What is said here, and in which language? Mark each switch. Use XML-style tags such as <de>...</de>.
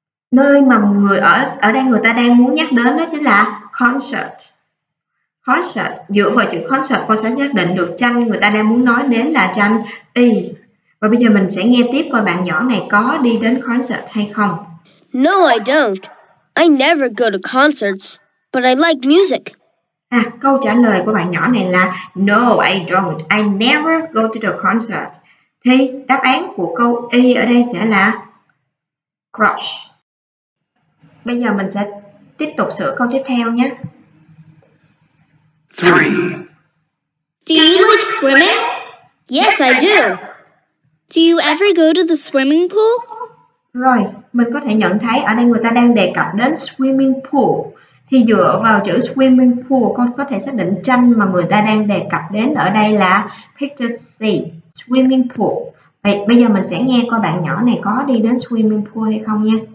<vi>Nơi mà người ở đây người ta đang muốn nhắc đến đó chính là concert. Concert, dựa vào chữ concert cô sẽ xác định được tranh người ta đang muốn nói đến là tranh E. Và bây giờ mình sẽ nghe tiếp coi bạn nhỏ này có đi đến concert hay không.</vi> <en>No, I don't. I never go to concerts, but I like music.</en> <vi>À, câu trả lời của bạn nhỏ này là</vi> <en>No, I don't. I never go to the concert.</en> <vi>Thì đáp án của câu E ở đây sẽ là crush. Bây giờ mình sẽ tiếp tục sửa câu tiếp theo nhé. 3.</vi> <en>Do you like swimming? Yes, I do. Do you ever go to the swimming pool?</en> <vi>Rồi, mình có thể nhận thấy ở đây người ta đang đề cập đến swimming pool. Thì dựa vào chữ swimming pool, con có thể xác định tranh mà người ta đang đề cập đến ở đây là picture C, swimming pool. Vậy bây giờ mình sẽ nghe coi bạn nhỏ này có đi đến swimming pool hay không nha.</vi>